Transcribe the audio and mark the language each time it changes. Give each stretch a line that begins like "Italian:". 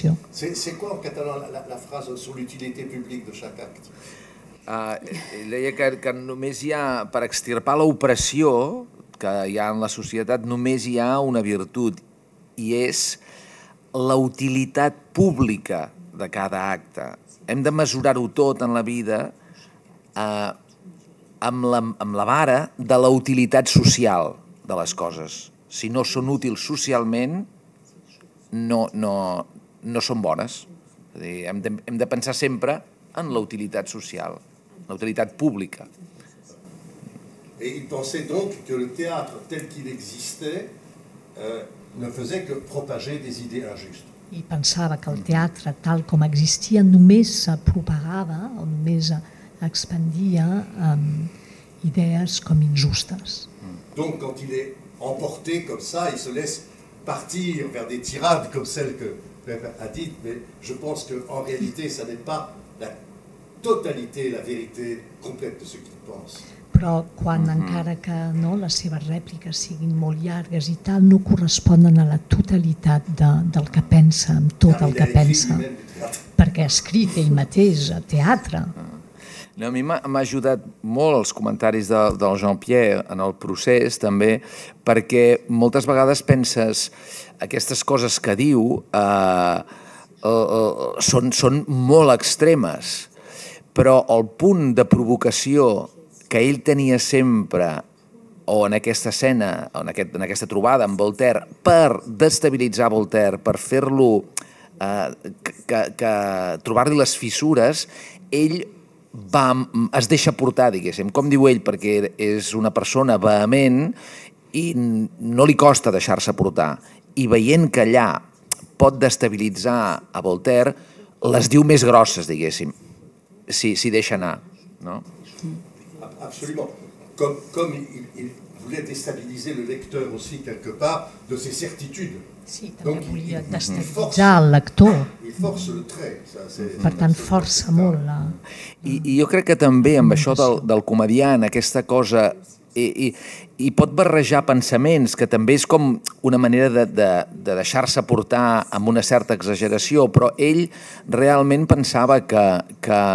French: C'est quoi en català la frase sur l'utilité publique de chaque acte?
Catalan: Ell deia que només hi ha, per extirpar l'opressió que hi ha en la societat, només hi ha una virtut, i és la utilitat pública de cada acte. Hem de mesurar-ho tot en la vida amb la vara de la utilitat social de les coses. Si no són útils socialment, no són bones. És a dir, hem de pensar sempre en la utilitat social, la utilitat pública.
French: Et il pensait donc que le théâtre tel qu'il existait ne faisait que propager des idées injustes.
Catalan: I pensava que el teatre tal com existia només propagava o només expandia idees com injustes.
French: Donc quand il est emporté comme ça, il se laisse partir vers des tirades comme celles que Pepe a dit, mais je pense que en réalité ça n'est pas la totalité, la vérité complète de ce qu'il pense.
Catalan: Però quan encara que no, les seves rèpliques siguin molt llargues i tal, no corresponen a la totalitat del que pensa, amb tot el que pensa, perquè ha escrit ell mateix a teatre. No, a mi m'ha ajudat molt els comentaris del Jean-Pierre en el procés, també, perquè moltes vegades penses aquestes coses que diu són molt extremes, però el punt de provocació que ell tenia sempre, o en aquesta escena, o en aquesta trobada amb Voltaire, per destabilitzar Voltaire, per fer-lo trobar-li les fissures, ell es deixa portar, diguéssim, com diu ell, perquè és una persona vehement i no li costa deixar-se portar. I veient que allà pot destabilitzar a Voltaire, les diu més grosses, diguéssim, si deixa anar, no?
French: Absolument. Comme il voulait déstabiliser le lecteur aussi quelque part de ses certitudes. Sí, donc il voulait déstabiliser le lecteur. Il force le trait. Ça,
Catalan: per tant, força molt. I jo crec que també amb això del comediant, aquesta cosa, i pot barrejar pensaments, que també és com una manera de deixar-se portar amb una certa exageració, però ell realment pensava que